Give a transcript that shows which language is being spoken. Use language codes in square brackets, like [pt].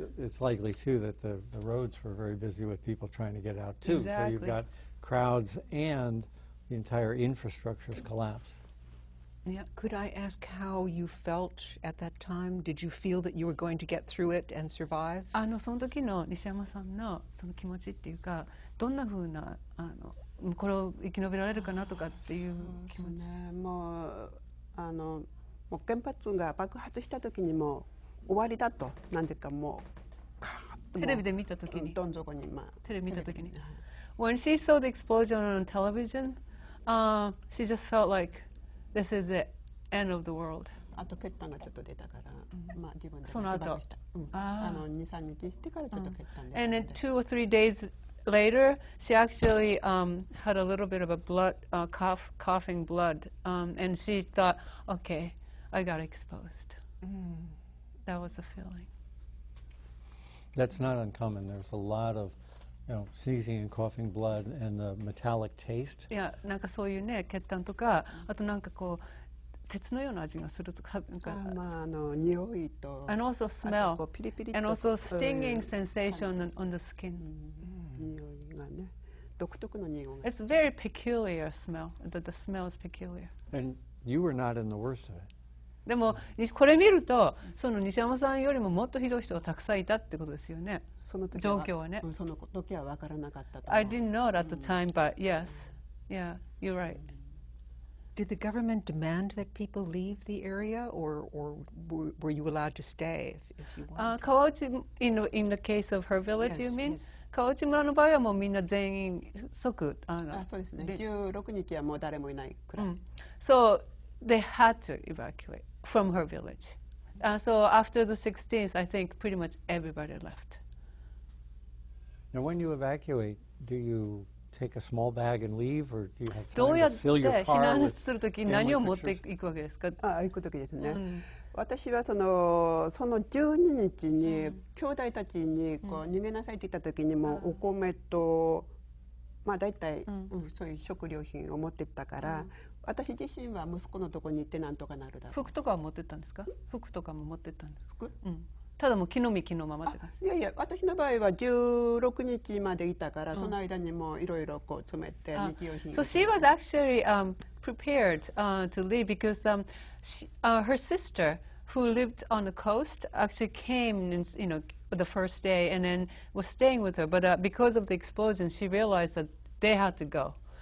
[en] it's likely, too, that the roads were very busy with people trying to get out, too. Exactly. So you've got crowds and the entire infrastructure's collapse. Yeah. Could I ask how you felt at that time? Did you feel that you were going to get through it and survive? [ja] その時の西山さんのその気持ちっていうか、どんなふうなこれを生き延びられるかなとかっていう気持ち。もう、もう原発が爆発した時にも、終わりだと何でかもうカーッとテレビで見たときにどん底にまあテレビ見たときに [en] When she saw the explosion on television, she just felt like this is the end of the world. [ja] あと血管がちょっと出たから、まあ自分でその後、二三日してからちょっと血管 [en] で、And then two or three days later, she actually had a little bit of a blood coughing blood, and she thought, okay, I got exposed. That was a feeling. That's not uncommon. There's a lot of, you know, sneezing and coughing blood and the metallic taste. [ja] Yeah, なんかそういうね、血管とか、あとなんかこう、鉄のような味がするとか、なんか、まあ、匂いと、 [en] and also smell, [ja] あとこうピリピリと、 [en] and also stinging sensation on the skin. [ja] 匂いがね、独特の匂いが。 [en] It's very peculiar smell, the smell is peculiar. And you were not in the worst of it. [ja] でもこれ見るとその西山さんよりももっとひどい人がたくさんいたってことですよね。その時は状況はね。その時は分からなかったと。 [en] I didn't know at the time, but yes, yeah, you're right. Did the government demand that people leave the area, or were you allowed to stay if you want? Kawauchi, in the case of her village, yes, you mean? Yes. [ja] Kawauchi 村の場合はもうみんな全員即そうですね。 16日はもう誰もいないくらい。 [en] So,They had to evacuate from her village. So after the 16th, I think pretty much everybody left. Now, when you evacuate, do you take a small bag and leave, or do you have time to fill your car with family pictures? [ja] どうやって避難するとき何を持っていくわけですか？あ、行くときですね。私はその12日に兄弟たちにこう逃げなさいって言ったときにもお米とまあだいたいそういう食料品を持ってったから。私自身は息子のとこに行ってなんとかなるだろう。服とかは持ってったんですか？服とかも持ってったんです。服？ただもう着のみ着のままって感じ。いやいや、私の場合は16日までいたから、その間にもいろいろこう詰めて日用品。 [en] So she was actually prepared to leave because her sister who lived on the coast actually came and you know the first day and then was staying with her, but because of the explosion, she realized that they had to go.